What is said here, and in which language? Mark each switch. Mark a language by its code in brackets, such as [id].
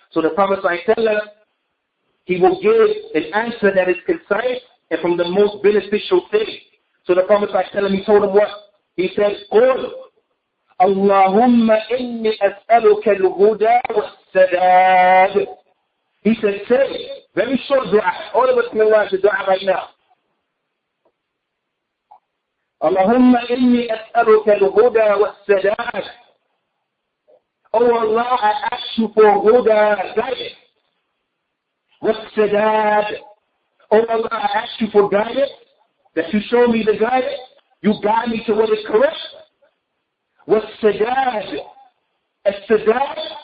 [en] So the Prophet ﷺ, he will give an answer that is concise and from the most beneficial thing. So the Prophet ﷺ, he told him what? He said, [ar] قُلْ أَلَّهُمَّ إِنِّي أَسْأَلُكَ الْهُدَى وَالسَّدَادِ. [en] He said, say, very short dua. All of us can watch the dua right now. [ar] اللهم إني أسألك الهدى والسداد. [en] Oh Allah, I ask you for هدى guidance. والسداد. Oh Allah, I ask you for guidance. That you show me the guidance. You guide me to what is correct. [ar] والسداد. السداد.